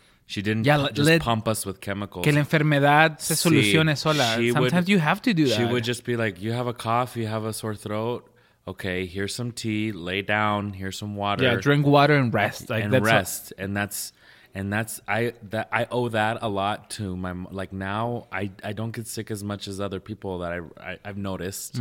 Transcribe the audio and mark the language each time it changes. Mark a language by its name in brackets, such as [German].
[English] She didn't just pump us with chemicals. [Spanish] Que la enfermedad se solucione sola. [English] Sometimes you have to do that. She would just be like, you have a cough, you have a sore throat. Okay, here's some tea, lay down, here's some water. Yeah, drink water and rest. Like, and rest. And that's I owe that a lot to my, like, now I don't get sick as much as other people that I've noticed.